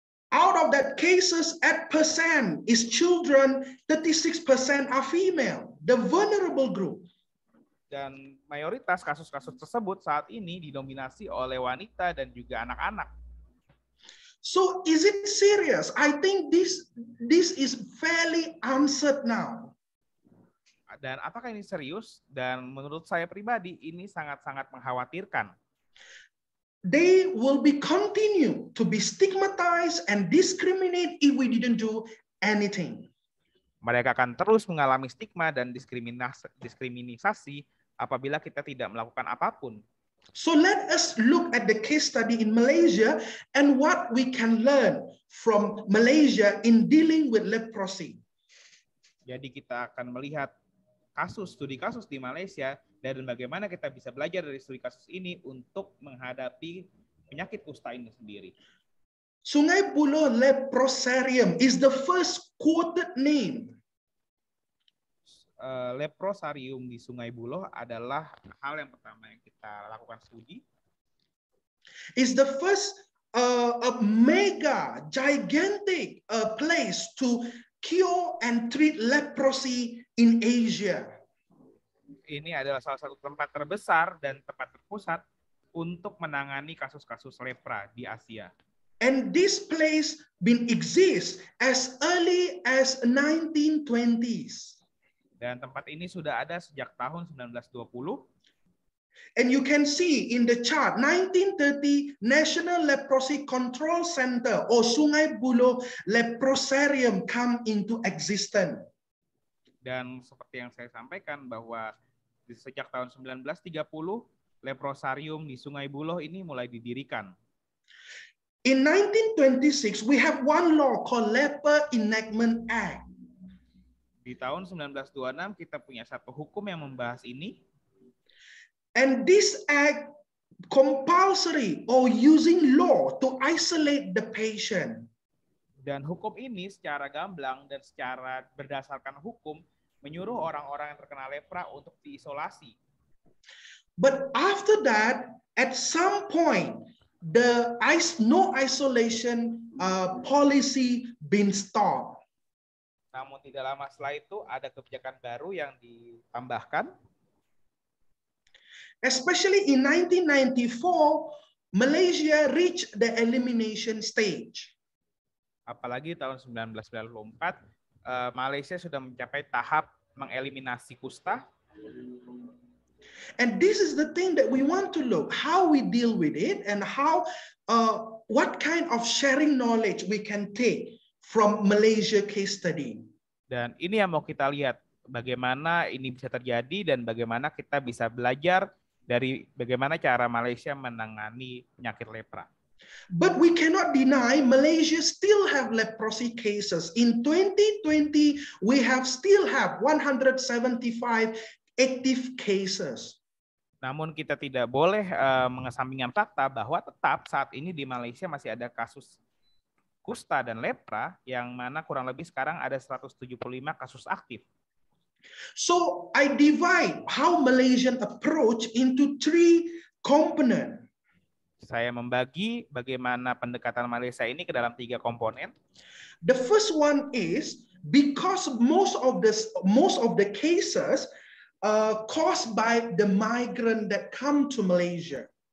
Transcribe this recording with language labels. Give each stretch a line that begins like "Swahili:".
English: Out of that cases, 8% is children, 36% are female, the vulnerable group.
Indonesian: Dan mayoritas kasus-kasus tersebut saat ini didominasi oleh wanita dan juga anak-anak.
English: So is it serious? I think this is fairly answered now.
Indonesian: Dan apakah ini serius? Dan menurut saya pribadi ini sangat-sangat mengkhawatirkan.
English: They will be continue to be stigmatized and discriminate if we didn't do anything.
Indonesian: Mereka akan terus mengalami stigma dan diskriminasi apabila kita tidak melakukan apapun.
English: So let us look at the case study in Malaysia and what we can learn from Malaysia in dealing with leprosy.
Indonesian: Jadi kita akan melihat kasus, studi kasus di Malaysia dan bagaimana kita bisa belajar dari studi kasus ini untuk menghadapi penyakit kusta ini sendiri.
English: Sungai Buloh Leprosarium is the first quoted name.
Indonesian: Leprosarium di Sungai Buloh adalah hal yang pertama yang kita lakukan studi.
English: Is the first a mega gigantic place to cure and treat leprosy in Asia.
Indonesian: Ini adalah salah satu tempat terbesar dan tempat terpusat untuk menangani kasus-kasus lepra di Asia.
English: And this place been exist as early as 1920s.
Indonesian: Dan tempat ini sudah ada sejak tahun 1920.
English: And you can see in the chart, 1930 National Leprosy Control Center or Sungai Buloh Leprosarium come into existence.
Indonesian: Dan seperti yang saya sampaikan bahwa sejak tahun 1930, Leprosarium di Sungai Buloh ini mulai didirikan.
English: In 1926, we have one law called Leper Enactment Act.
Indonesian: Di tahun 1926 kita punya satu hukum yang membahas ini.
English: And this act compulsory or using law to isolate the patient.
Indonesian: Dan hukum ini secara gamblang dan secara berdasarkan hukum menyuruh orang-orang yang terkena lepra untuk diisolasi.
English: But after that, at some point, the no isolation policy been stopped.
Indonesian: Namun tidak lama setelah itu ada kebijakan baru yang ditambahkan.
English: Especially in 1994, Malaysia reached the elimination stage.
Indonesian: Apalagi tahun 1994, Malaysia sudah mencapai tahap mengeliminasi kusta.
English: And this is the thing that we want to look, how we deal with it and how, what kind of sharing knowledge we can take from Malaysia case study.
Indonesian: Dan ini yang mau kita lihat, bagaimana ini bisa terjadi dan bagaimana kita bisa belajar dari bagaimana cara Malaysia menangani penyakit lepra.
English: But we cannot deny Malaysia still have leprosy cases. In 2020, we have still have 175 active cases.
Indonesian: Namun kita tidak boleh mengesampingkan fakta bahwa tetap saat ini di Malaysia masih ada kasus kusta dan lepra yang mana kurang lebih sekarang ada 175 kasus aktif.
English: So I divide how Malaysian approach into three component.
Indonesian: Saya membagi bagaimana pendekatan Malaysia ini ke dalam tiga komponen.
English: The first one is because most of the cases caused by the migrant that come to Malaysia.